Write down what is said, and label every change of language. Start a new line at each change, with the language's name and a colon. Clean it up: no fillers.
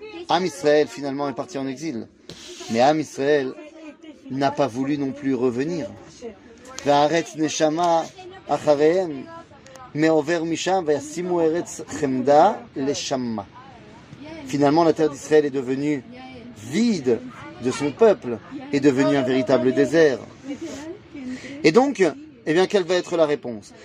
French: עם ישראל, finalement, est parti en exil. Mais עם ישראל n'a pas voulu non plus revenir.
Hebrew: וארץ נשמה אחריהם, מעובר ומשב, וישימו ארץ חמדה לשם.
French: Finalement, la terre d'Israël est devenue vide de son peuple, est devenue un véritable désert. Et donc, eh bien, quelle va être la réponse?